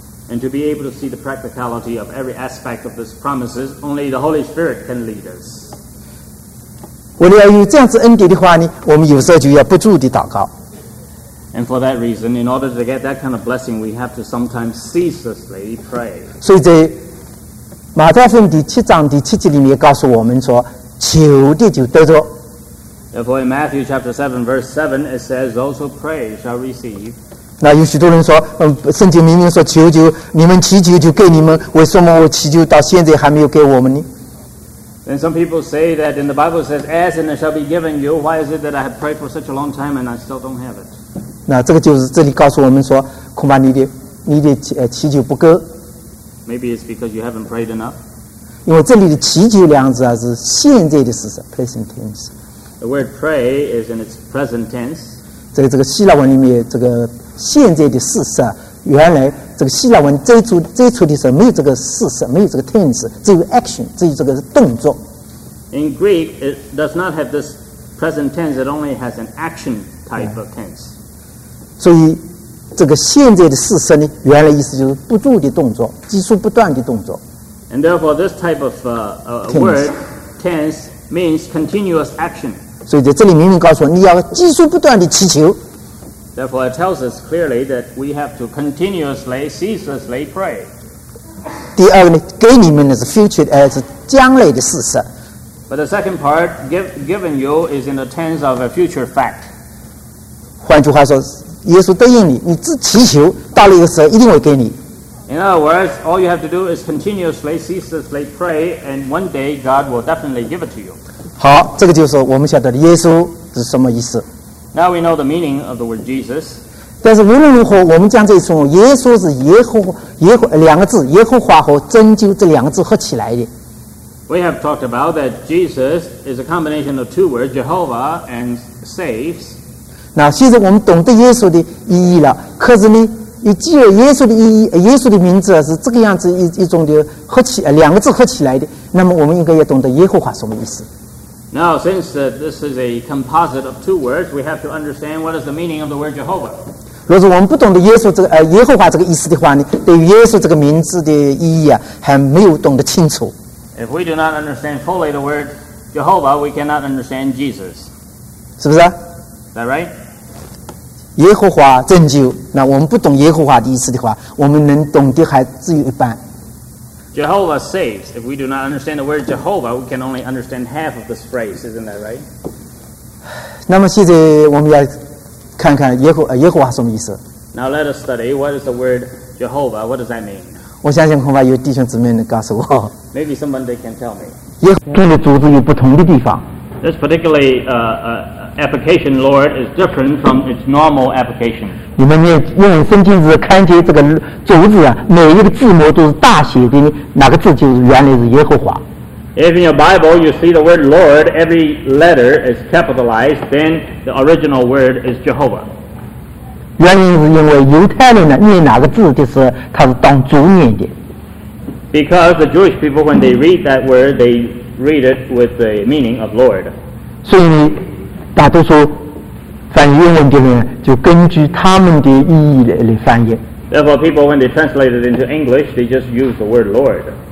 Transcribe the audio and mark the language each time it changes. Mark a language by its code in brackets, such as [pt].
[en] And to be able to see the practicality of every aspect of these promises, only the Holy Spirit can lead us. [zh] 为了有这样子恩典的话呢，我们有时候就要不住地祷告。 [en] And for that reason, in order to get that kind of blessing, we have to sometimes ceaselessly pray. [zh] 所以在马太福音第七章第七节里面告诉我们说，求的就得着。 [en] Therefore, in Matthew chapter 7, verse 7, it says, those who pray shall receive. [zh] 那有许多人说，圣经明明说求求你们祈求就给你们，为什么我祈求到现在还没有给我们呢？ [en] And some people say that in the Bible says, "Ask and it shall be given you." Why is it that I have prayed for such a long time and I still don't have it? [zh] 那这个就是这里告诉我们说，恐怕你的祈求不够。 [en] Maybe it's because you haven't prayed enough. [zh] 因为这里的祈求两字啊是现在的事实 [en] present tense. The word pray is in its present tense. [zh] 在这个希腊文里面，这个现在的事实啊，原来这个希腊文最初的时候没有这个事实，没有这个 tense， 只有 action， 只有这个动作。 [en] In Greek, it does not have this present tense. It only has an action type of tense. [zh] 所以这个现在的事实呢，原来意思就是不住的动作，急速不断的动作。 [en] And therefore, this type of word tense means continuous action. [zh] 所以在这里明明告诉你要急速不断的祈求。 [en] Therefore, it tells us clearly that we have to continuously, ceaselessly pray. [zh] 第二呢，给你们的是 future， 是将来的事实。 [en] But the second part, given you, is in the tense of a future fact. [zh] 换句话说，耶稣答应你，你只祈求，到了一个时候一定会给你。 [en] In other words, all you have to do is continuously, ceaselessly pray, and one day God will definitely give it to you. [zh] 好，这个就是我们晓得的耶稣是什么意思。 [en] Now we know the meaning of the word Jesus. [zh] 但是无论如何，我们将这从耶稣是耶和两个字，耶和华和拯救这两个字合起来的。 [en] We have talked about that Jesus is a combination of two words, Jehovah and saves. [zh] 那现在我们懂得耶稣的意义了。可是呢，又既有耶稣的意义，耶稣的名字是这个样子一种的合起两个字合起来的。那么我们应该也懂得耶和华什么意思。 [en] Now, since this is a composite of two words, we have to understand what is the meaning of the word Jehovah. [zh] 若是我们不懂得耶稣这个耶和华这个意思的话呢，对于耶稣这个名字的意义啊，还没有懂得清楚。 [en] If we do not understand fully the word Jehovah, we cannot understand Jesus. [zh] 是不是？ [en] Is that right? [zh] 耶和华拯救，那我们不懂耶和华的意思的话，我们能懂的还只有一半。 [en] Jehovah saves. If we do not understand the word Jehovah, we can only understand half of this phrase, isn't that right? [zh] 那么现在我们要看看耶和华什么意思。 [en] Now let us study what is the word Jehovah. What does that mean? [zh] 我相信恐怕有弟兄姊妹能告诉我。 [en] Maybe somebody can tell me. [zh] 耶和华的主有不同的地方。 [en] This particularly application, Lord, is different from its normal application. [zh] 你们用圣经纸看见这个主字啊，每一个字母都是大写的，哪个字就是原来是耶和华。 [en] If in your Bible you see the word Lord, every letter is capitalized, then the original word is Jehovah. [zh] 原因是因为犹太人呢念哪个字就是他是当主念的。 [en] Because the Jewish people, when they read that word, they read it with the meaning of Lord. [zh] 所以大多数翻译英文的人就根据他们的意义来翻译。 [en] Therefore, people, when they translate it into English, they just use the word Lord.